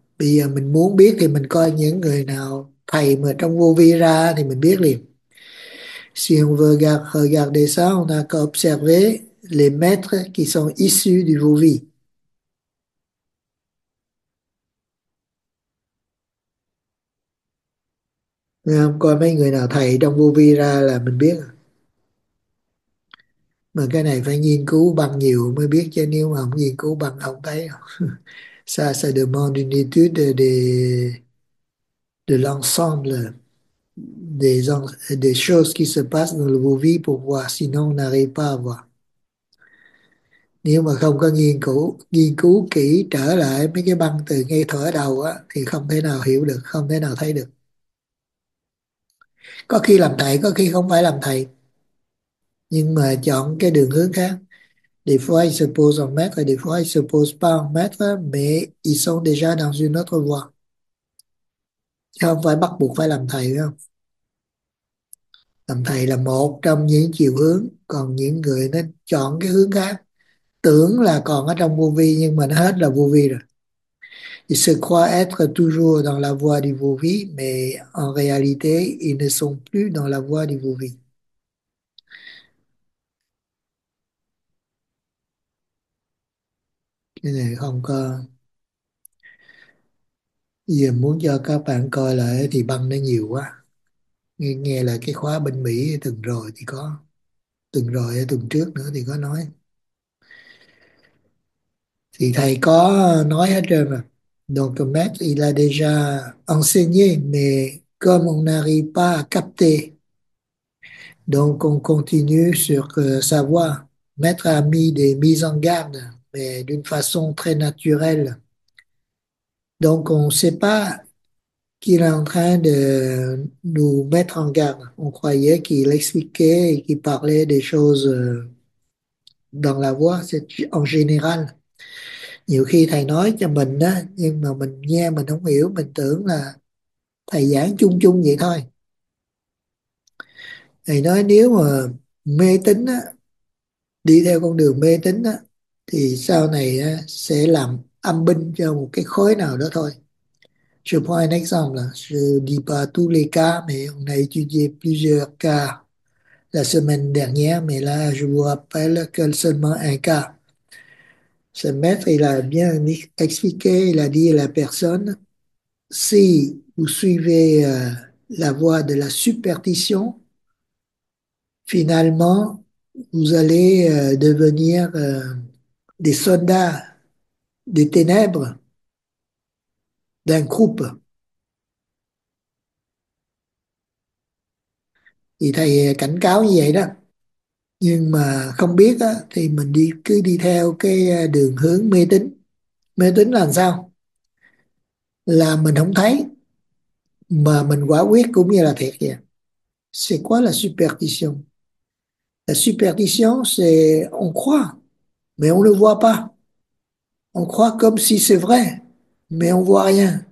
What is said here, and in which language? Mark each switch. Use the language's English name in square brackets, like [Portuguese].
[Vietnamese] Bây giờ mình muốn biết thì mình coi những người nào thầy mà trong vô vi ra thì mình biết liền. [French] Si on veut regarder ça, on a qu'à observer les maîtres qui sont issus du vô vi. [Vietnamese] Không coi mấy người nào thầy trong vô vi ra là mình biết. Mà cái này phải nghiên cứu bằng nhiều mới biết, chứ nếu mà không nghiên cứu bằng không thấy. [French] Ça demande une étude de l'ensemble des choses qui se passent dans le vos vies pour voir, sinon on n'arrive pas à voir. [Vietnamese] Nếu mà không có nghiên cứu kỹ trở lại mấy cái băng từ ngay thở đầu á thì không thể nào hiểu được, không thể nào thấy được. Có khi làm thầy, có khi không phải làm thầy, nhưng mà chọn cái đường hướng khác. [French] Des fois ils se posent en maître, des fois ils se posent pas en maître, mais ils sont déjà dans une autre voie. [Vietnamese] Chứ không phải bắt buộc phải làm thầy, phải không? Làm thầy là một trong những chiều hướng, còn những người nó chọn cái hướng khác, tưởng là còn ở trong vô vi nhưng mà nó hết là vô vi rồi. [French] Ils se croient être toujours dans la voie du vô vi, mais en réalité, ils ne sont plus dans la voie du vô vi. [Vietnamese] Cái này không có. Giờ muốn cho các bạn coi lại thì băng nó nhiều quá. Nghe lại cái khóa bên Mỹ từng rồi thì có. Từng rồi, tuần trước nữa thì có nói. Thì thầy có nói hết trơn rồi. [French] Donc maître, il a déjà enseigné, mais comme on n'arrive pas à capter, donc on continue sur sa voie. Maître a mis des mises en garde, mais d'une façon très naturelle. Donc on ne sait pas qu'il est en train de nous mettre en garde. On croyait qu'il expliquait et qu'il parlait des choses dans la voix, c'est en général. [Vietnamese] Nhiều khi thầy nói cho mình đó, nhưng mà mình nghe mình không hiểu, mình tưởng là thầy giảng chung chung vậy thôi. Thầy nói nếu mà mê tín á, đi theo con đường mê tín á, thì sau này á, sẽ làm âm binh cho một cái khối nào đó thôi. [French] Je prends un exemple, je dis pas tous les cas, mais on a étudié plusieurs cas la semaine dernière, mais là je vous rappelle que seulement un cas. Ce maître, il a bien expliqué, il a dit à la personne, si vous suivez la voie de la superstition, finalement, vous allez devenir des soldats des ténèbres d'un groupe. [Vietnamese] Thì thầy cảnh cáo như vậy đó. Nhưng mà không biết á, thì mình đi cứ đi theo cái đường hướng mê tín. Mê tín là sao? Là mình không thấy mà mình quả quyết cũng như là thiệt vậy. [French] C'est quoi la superstition? La superstition, c'est on croit, mais on ne le voit pas. On croit comme si c'est vrai, mais on voit rien.